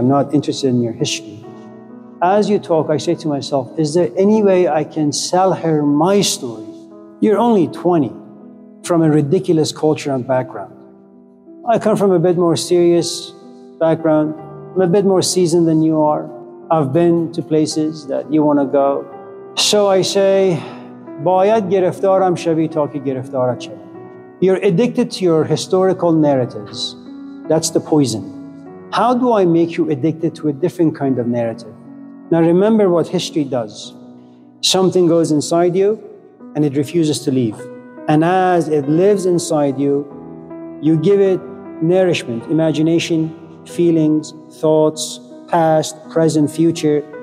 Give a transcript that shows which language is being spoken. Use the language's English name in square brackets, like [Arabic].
[English] I'm not interested in your history. As you talk, I say to myself, is there any way I can sell her my story? You're only 20 from a ridiculous culture and background. I come from a bit more serious background. I'm a bit more seasoned than you are. I've been to places that you want to go. So I say, [Persian] باید گرفتارم شوی تا که گرفتارت شوی. [English] You're addicted to your historical narratives. That's the poison. How do I make you addicted to a different kind of narrative? Now remember what history does. Something goes inside you and it refuses to leave. And as it lives inside you, you give it nourishment, imagination, feelings, thoughts, past, present, future.